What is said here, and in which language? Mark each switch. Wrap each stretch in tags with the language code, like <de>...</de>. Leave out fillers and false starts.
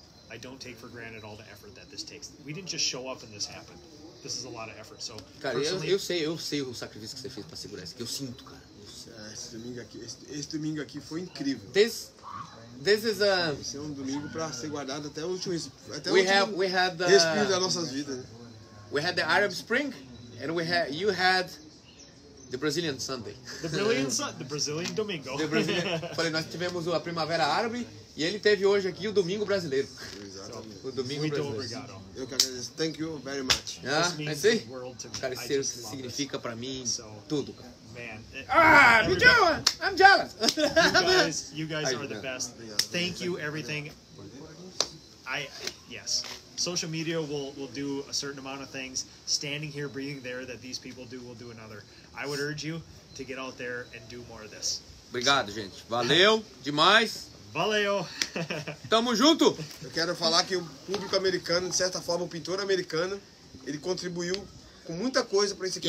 <en>I don't take for granted all the effort that this takes. We didn't just show up and this happened. This is a lot of effort. So,</en> <pt>cara, eu sei o sacrifício que você fez para segurar isso. Eu sinto, cara. Esse domingo aqui foi incrível. Esse é um domingo para ser guardado até o último respiro das nossas vidas.</pt> <en>We had the Arab Spring and you had the Brazilian Sunday. The Brazilian Domingo.</en> <pt>Falei, nós tivemos a Primavera Árabe. E ele teve hoje aqui o Domingo Brasileiro. Exatamente. O Domingo Muito Brasileiro. Obrigado. Eu que agradeço.</pt> <en>Thank you very much. Yeah, this means the world to me.</en> <pt>Cara, isso significa pra mim tudo, cara.</pt> <en>Man. I'm jealous. You guys are the best. Thank you, everything. Yes. Social media will do a certain amount of things. Standing here, breathing there that these people do will do another. I would urge you to get out there and do more of this.</en> <pt>Obrigado, gente. Valeu demais. Valeu! Tamo junto! Eu quero falar que o público americano, de certa forma, o pintor americano, ele contribuiu com muita coisa pra isso aqui.</pt>